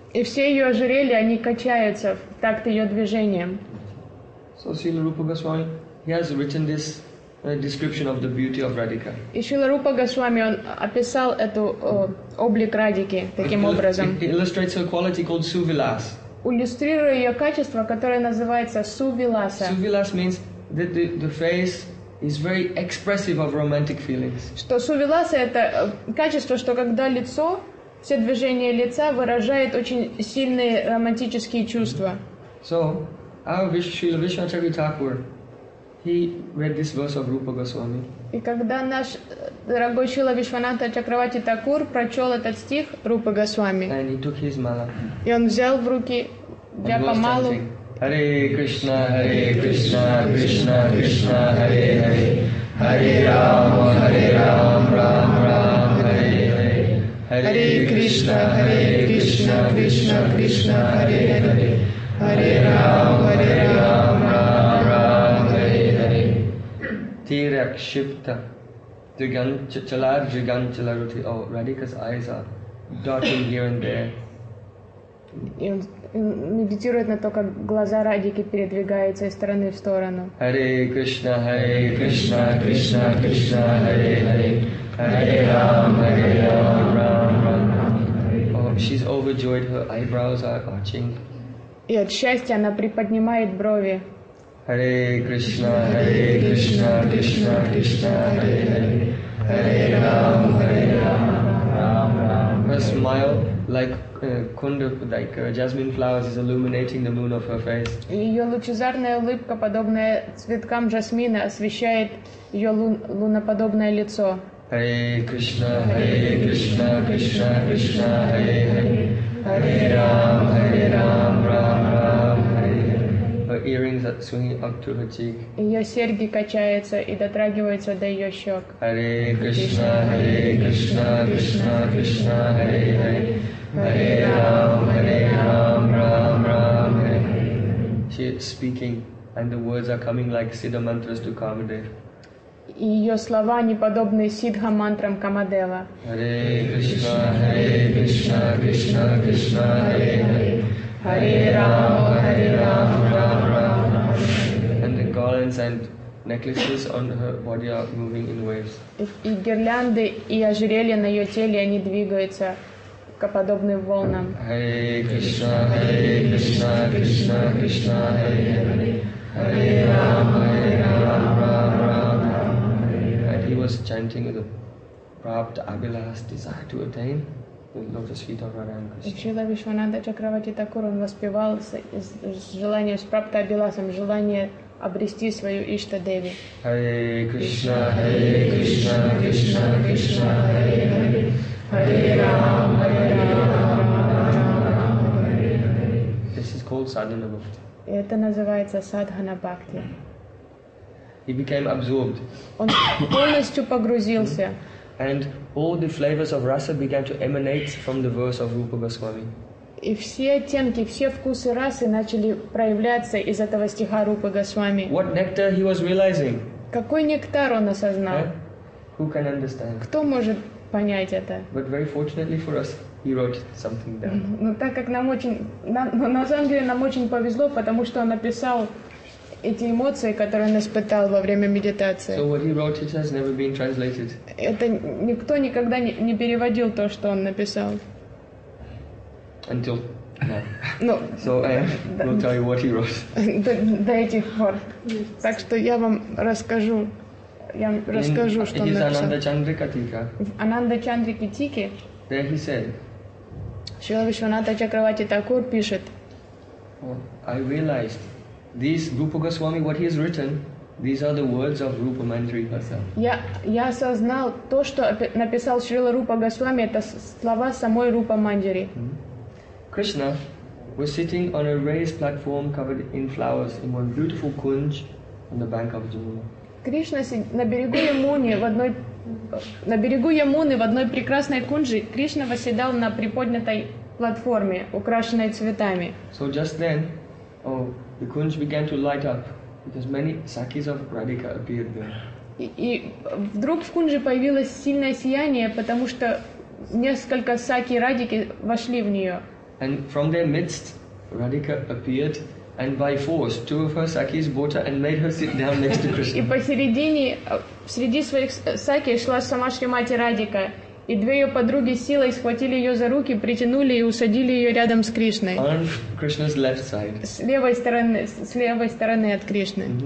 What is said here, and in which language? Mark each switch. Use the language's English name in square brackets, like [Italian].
[Russian] И все ее ожерелья, они качаются в такт ее движением. [English] So Srila Rupa Goswami, he has written this description of the beauty of Radhika. [Russian] И Srila Rupa Goswami, он описал эту облик Радики таким образом. [English] He illustrates her quality called Suvilas. [Russian] Иллюстрируя ее качество, которое называется Suvilasa. [English] Suvilas means that the face is very expressive of romantic feelings. [Russian] Что Suvilasa – это качество, что когда лицо, все движения лица выражают очень сильные романтические чувства. [English] So, our Srila Vishvacharya Thakur, he read this verse of Rupa Goswami. [Russian] И когда наш дорогой Шрила Вишванатха Чакравати Такур прочел этот стих Рупа Госвами, [English] and he took his mala. [Russian] И он взял в руки джапамалу. [Sanskrit] Hare Krishna, Hare Krishna, Krishna Krishna, Hare Hare. Hare Rama, Hare Rama, Rama Rama, Hare Hare. Hare Krishna, Hare Krishna, Krishna Krishna, Hare Hare. Hare Rama, Hare Rama, Rama Rama, Hare Hare. Tirakshipta Drigam Chala Drigam Chala Ruti. [English] Oh, Radhika's eyes are darting here and there. [Russian] И он медитирует на то, как глаза Радики передвигаются из стороны в сторону. [Sanskrit] Hare Krishna, Hare Krishna, Krishna Krishna, Hare Hare. Hare Ram, Hare Ram, Ram Ram, Hare Hare. [English] Oh, she's overjoyed, her eyebrows are arching. [Russian] И от счастья она приподнимает брови. [Sanskrit] Hare Krishna, Hare Krishna, Krishna Krishna, Hare Hare. Hare Ram, Hare Ram, Ram Ram. [English] Her smile, like kunda, like jasmine flowers, is illuminating the moon of her face. [Russian] Ее лучезарная улыбка, подобная цветкам жасмина, освещает ее луноподобное лицо. [Sanskrit] Hare Krishna, Hare Krishna, Krishna Krishna, Hare Hare. Hare Ram, Hare Ram, Ram Ram, Hare Hare. [English] Her earrings are swinging up to her cheek. [Russian] Ее серьги качаются и дотрагиваются до ее щек. [Sanskrit] Hare Krishna, Hare Krishna, Krishna Krishna, Hare Hare. Hare Ram, Hare Ram, Ram Ram, Hare Hare. [English] She is speaking, and the words are coming like Siddha mantras to Kamadev. [Russian] и ее слова не подобны сиддхам мантрам Камадева. [Sanskrit] Харе Кришна, Кришна, Кришна, Харе Харе. Харе Рама, Харе Рама, Рама Рама. [English] And the garlands and necklaces on her body are moving in waves. [Russian] И гирлянды и ожерелья на ее теле, они двигаются подобным волнам. [Sanskrit] Харе Кришна, Харе Кришна, Кришна, Кришна, Харе Харе. Hare Rama, Hare Rama, Rama Rama. [English] And he was chanting with a prapt abhilash desire to attain the lotus feet of Radha and Krishna. [Russian] Шрила Вишванада Чакравати Такур, он воспевал с желанием, с прапта абиласом, желание обрести свою Ишта Деви. [Sanskrit] Hare Krishna, Hare Krishna, Krishna Krishna, Hare Hare. Hare Rama, Hare Rama, Rama Rama. [English] This is called sadhana bhakti. [Russian] И это называется садхана бхакти. [English] He became absorbed. [Russian] Он полностью погрузился. [English] And all the flavors of rasa began to emanate from the verse of Rupa Goswami. [Russian] И все оттенки, все вкусы расы начали проявляться из этого стиха Рупы Госвами. [English] What nectar he was realizing? [Russian] Какой нектар он осознал? [English] Who can understand? [Russian] Кто может понять это? [English] But very fortunately for us, he wrote something down. [Russian] Ну так как нам очень, на самом деле нам очень повезло, потому что он написал эти эмоции, которые он испытал во время медитации. [English] So what he wrote, it has never been translated. [Russian] Это никто никогда не переводил то, что он написал. [English] Until now. So I will tell you what he wrote. [Russian] До этих пор. Так что я вам расскажу. Я вам расскажу, что он написал. Ананда Чандрика Тика. Ананда Чандрика Тики. [English] There he said. [Russian] Шрила Вишванатха Чакравати Такур пишет. [English] I realized these Rupa Goswami, what he has written, these are the words of Rupa Mantri herself. [Russian] Я осознал то, что написал Шрила Рупа Госвами, это слова самой Рупа Мандири. [English] Krishna was sitting on a raised platform covered in flowers in one beautiful kunj on the bank of Jamuna. [Russian] Кришна на берегу Ямуны в одной прекрасной кунджи Кришна восседал на приподнятой платформе, украшенной цветами. [English] So just then, the kunj began to light up because many sakis of Radhika appeared there. [Russian] И вдруг в кунджи появилось сильное сияние, потому что несколько саки Радики вошли в нее. [English] And from their midst, Radhika appeared. And by force, two of her sakis brought her and made her sit down next to Krishna. [Russian] И посередине, среди своих саки шла сама Шримати Радика, и две ее подруги силой схватили ее за руки, притянули и усадили ее рядом с Кришной. [English] On Krishna's left side. [Russian] С левой стороны от Кришны.